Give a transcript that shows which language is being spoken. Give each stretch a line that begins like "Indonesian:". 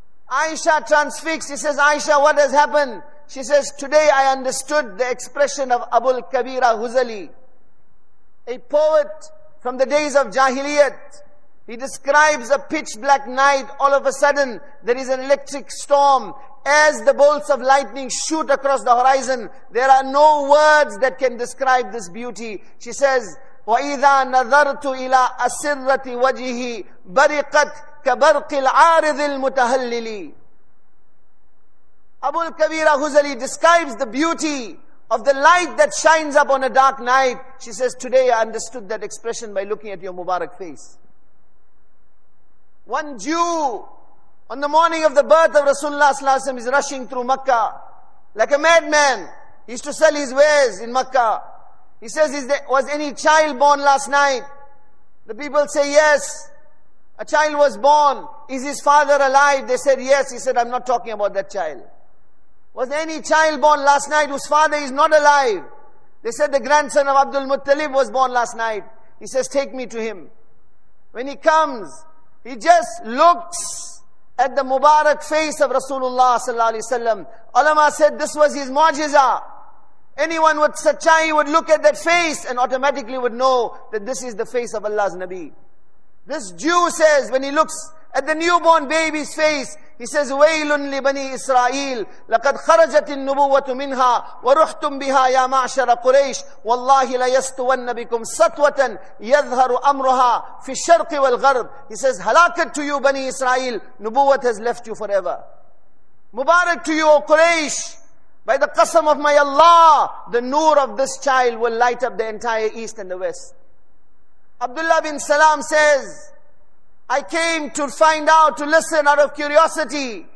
English: Aisha transfixed, he says, Aisha, what has happened? She says, today I understood the expression of Abul Kabira Huzali, a poet from the days of Jahiliyat. He describes a pitch black night, all of a sudden there is an electric storm. As the bolts of lightning shoot across the horizon, there are no words that can describe this beauty. She says,
Arabic: وَإِذَا نَظَرْتُ إِلَىٰ أَسِرَّةِ وَجِهِ بَرِقَتْ كَبَرْقِ الْعَارِضِ الْمُتَهَلِّلِ.
English: Abul Kabira Huzali describes the beauty of the light that shines up on a dark night. She says, today I understood that expression by looking at your Mubarak face. One Jew, on the morning of the birth of Rasulullah sallallahu alaihi wasallam, is rushing through Makkah like a madman. He used to sell his wares in Makkah. He says, was any child born last night? The people say, yes. A child was born. Is his father alive? They said, yes. He said, I'm not talking about that child. Was any child born last night whose father is not alive? They said, the grandson of Abdul Muttalib was born last night. He says, take me to him. When he comes, he just looks at the Mubarak face of Rasulullah sallallahu alaihi wasallam. Ulama said this was his mu'jiza. Anyone with sachai would look at that face and automatically would know that this is the face of Allah's Nabi. This Jew says, when he looks at the newborn baby's face, he says,
Arabic: وَيْلٌ لِبَنِي إِسْرَائِيلَ لَقَدْ خَرَجَتِ النُّبُوَّةُ مِنْهَا وَرُحْتُمْ بِهَا يَا مَعْشَرَ قُرَيْشٍ وَاللَّهِ لَيَسْتُوَنَّ بِكُمْ سَتْوَةً يَظْهَرُ أَمْرُهَا فِي الشَّرْقِ وَالْغَرْبِ.
English: He says, halakat to you, Bani Israel. Nubuwat has left you forever. Mubarak to you, O Quraysh. By the qasam of my Allah, the nur of this child will light up the entire east and the west. Abdullah bin Salam says, I came to find out, to listen out of curiosity.